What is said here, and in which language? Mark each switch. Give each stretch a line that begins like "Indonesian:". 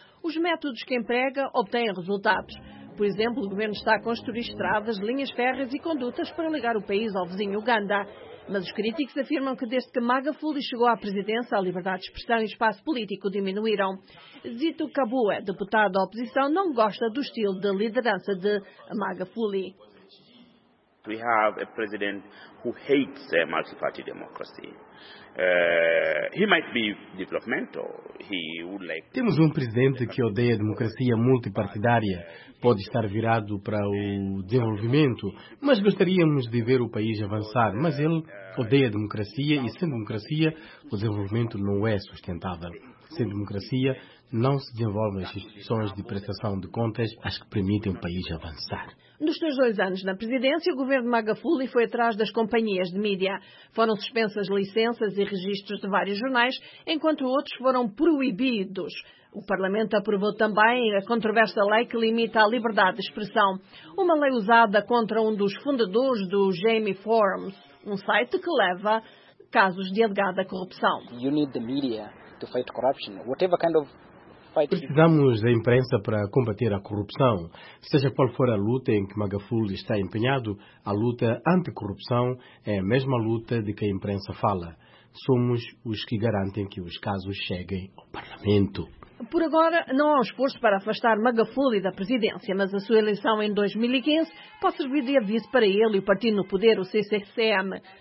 Portuguese: Os métodos que emprega obtêm resultados. Por exemplo, o governo está a construir estradas, linhas férreas e condutas para ligar o país ao vizinho Uganda. Mas os críticos afirmam que desde que Magufuli chegou à presidência, a liberdade de expressão e espaço político diminuíram. Zito Kabue, deputado da oposição, não gosta do estilo de liderança de Magufuli.
English: We have a president who hates multi-party democracy. He might be developmental. He would like...
Portuguese: Temos um presidente que odeia a democracia multipartidária. Pode estar virado para o desenvolvimento, mas gostaríamos de ver o país avançar. Mas ele odeia a democracia e, sem democracia, o desenvolvimento não é sustentável. Sem democracia, não se desenvolvem as instituições de prestação de contas as que permitem o país avançar. Nos seus 2 anos na presidência, o governo Magufuli foi atrás das companhias de mídia. Foram suspensas licenças e registros de vários jornais, enquanto outros foram proibidos. O Parlamento aprovou também a controversa lei que limita a liberdade de expressão, uma lei usada contra um dos fundadores do Jamie Forums, um site que leva casos de alegada corrupção.
English: You need the media to fight corruption, whatever kind of...
Portuguese: Precisamos da imprensa para combater a corrupção. Seja qual for a luta em que Magufuli está empenhado, a luta anticorrupção é a mesma luta de que a imprensa fala. Somos os que garantem que os casos cheguem ao Parlamento. Por agora, não há um esforço para afastar Magufuli da presidência, mas a sua eleição em 2015 pode servir de aviso para ele e o partido no poder, o CCCM.